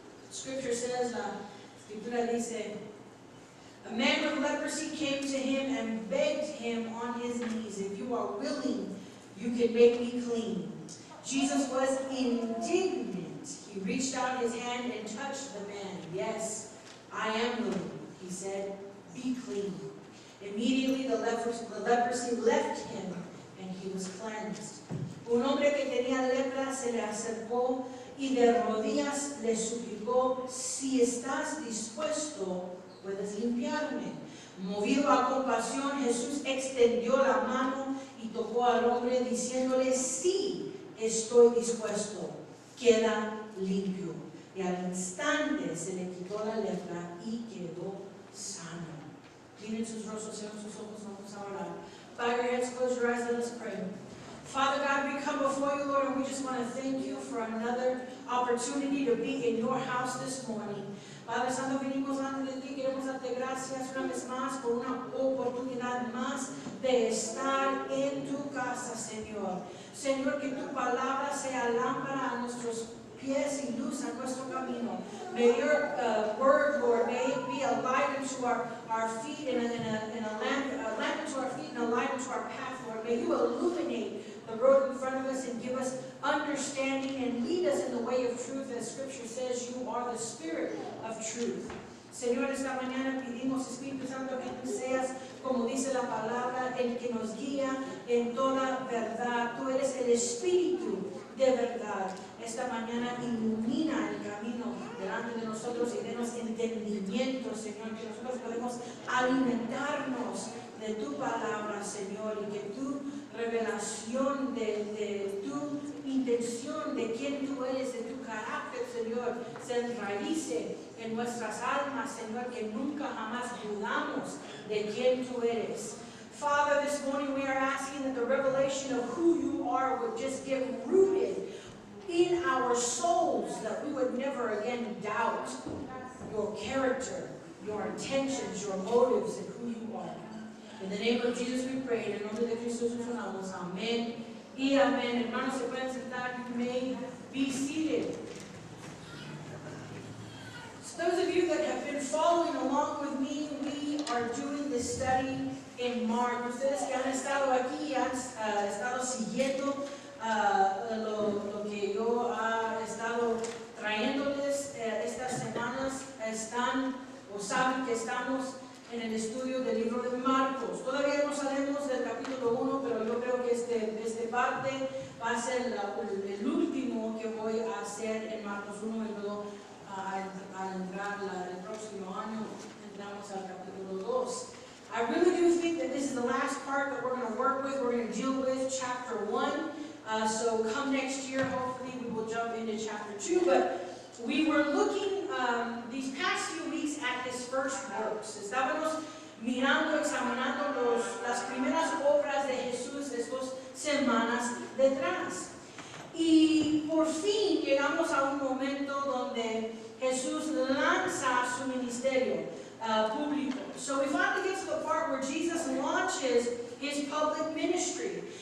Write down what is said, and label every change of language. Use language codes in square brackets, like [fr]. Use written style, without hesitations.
[en] Scripture says, [es] Scriptura dice, [en] a man with leprosy came to him and begged him on his knees, if you are willing, you can make me clean. Jesus was indignant. He reached out his hand and touched the man. Yes, I am willing, he said, be clean. Immediately the leprosy left him and he was cleansed. [es] Un hombre que tenía lepra se le acercó y de rodillas le suplicó, si estás dispuesto, puedes limpiarme. Movido a compasión, Jesús extendió la mano y tocó al hombre diciéndole, sí, estoy dispuesto, queda limpio. Y al instante se le quitó la lepra y quedó sano. Miren sus rostros, cierren sus ojos, vamos a orar. [en] Bow your heads, close your eyes, let us pray. Father God, we come before you, Lord, and we just want to thank you for another opportunity to be in your house this morning. [es] Padre Santo, venimos ante de ti, queremos darte gracias una vez más por una oportunidad más de estar en tu casa, Señor. Señor, que tu palabra sea lámpara a nuestros pies y luz a nuestro camino. [en] May your word, Lord, may it be a light unto our feet and a lamp unto our feet and a light unto our path, Lord. May you illuminate the road in front of us and give us understanding and lead us in the way of truth, as Scripture says, you are the Spirit of truth. [es] Señor, esta mañana pedimos, Espíritu Santo, que tú seas, como dice la palabra, el que nos guía en toda verdad. Tú eres el Espíritu de verdad. Esta mañana ilumina el camino delante de nosotros y denos entendimiento, Señor, que nosotros podemos alimentarnos de tu palabra, Señor, y que tu revelación de tu intención, de quién tú eres, de tu carácter, Señor, se enraice en nuestras almas, Señor, que nunca jamás dudamos de quién tú eres. [en] Father, this morning we are asking that the revelation of who you are would just get rooted in our souls, that we would never again doubt your character, your intentions, your motives, and who you are. In the name of Jesus we pray, in the name of Jesus we pray, amen. [es] Y amen. Hermanos, se pueden sentar, [en] you may be seated. So those of you that have been following along with me, we are doing this study in Mark. [es] Ustedes que han estado aquí y han estado siguiendo lo que yo he estado trayéndoles estas semanas, están o saben que estamos en el estudio del libro de Marcos. Todavía no salimos del capítulo 1, pero yo creo que este parte va a ser el último que voy a hacer en Marcos 1 y luego al entrar el próximo año entramos al capítulo 2. [en] I really do think that this is the last part that we're going to work with, we're going to deal with chapter 1. So come next year, hopefully we will jump into chapter 2. But we were looking these past few weeks at his first works. [es] Estábamos mirando, examinando las primeras obras de Jesús estas semanas detrás. Y por fin llegamos a un momento donde Jesús lanza su ministerio público. [en] So we finally get to the part where Jesus launches his public ministry.